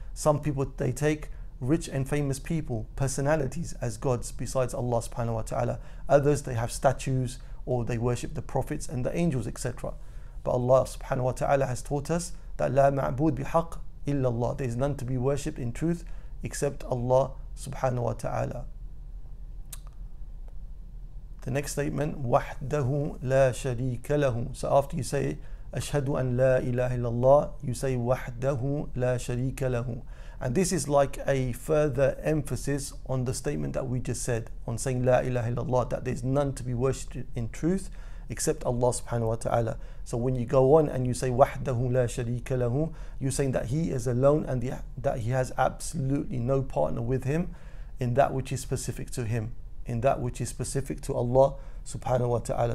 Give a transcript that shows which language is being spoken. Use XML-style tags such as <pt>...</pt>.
<en>Some people, they take rich and famous people, personalities as gods besides Allah subhanahu wa ta'ala. Others, they have statues or they worship the prophets and the angels, etc. But Allah subhanahu wa ta'ala has taught us that</en> <ar>لا معبود بحق إلا الله.</ar> <en>There is none to be worshipped in truth except Allah subhanahu wa ta'ala.</en> <ar>The next statement, وحده لا شريك له.</ar> <en>So after you say</en> <ar>أشهد أن لا إله إلا الله,</ar> <en>you say</en> <ar>وحده لا شريك له.</ar> <en>And this is like a further emphasis on the statement that we just said, on saying</en> <ar>La ilaha illallah,</ar> <en>that there's none to be worshipped in truth except Allah subhanahu wa ta'ala. So when you go on and you say</en> <ar>Wahdahu la sharika lahu,</ar> <en>you're saying that He is alone and that He has absolutely no partner with Him in that which is specific to Him, in that which is specific to Allah subhanahu wa ta'ala.</en>